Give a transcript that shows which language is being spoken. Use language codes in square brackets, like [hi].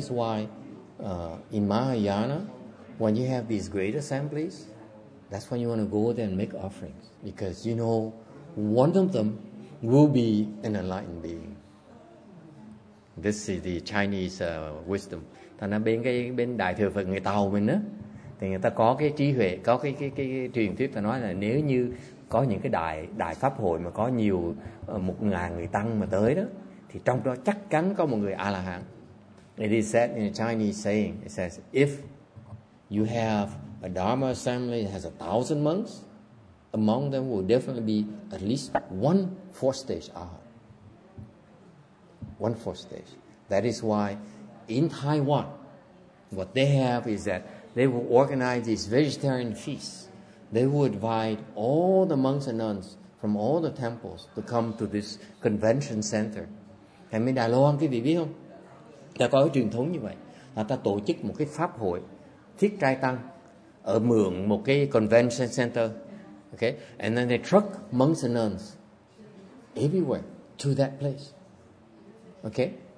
[en] That is why in Mahayana, when you have these great assemblies, that's when you want to go there and make offerings. Because you know one of them will be an enlightened being. This is the Chinese wisdom. [vi] Thành ra bên đại thừa Phật người Tàu mình á, thì người ta có cái trí huệ, có cái truyền thuyết, ta nói là nếu như có những cái đại pháp hội mà có nhiều 1,000 người tăng mà tới đó, thì trong đó chắc chắn có một người A-la-hán. [en] It is said in a Chinese saying, it says, if you have a Dharma assembly that has 1,000 monks, among them will definitely be at least one fourth stage A-la-hán. One fourth stage. That is why in Taiwan, what they have is that they will organize these vegetarian feasts. They will invite all the monks and nuns from all the temples to come to this convention center. [vi] Thầy mình Đài Loan, quý vị biết không? Ta có cái truyền thống như vậy. Là ta tổ chức một cái pháp hội thiết trai tăng ở mượn một cái convention center. [en] Okay? And then they truck monks and nuns everywhere to that place. Okay?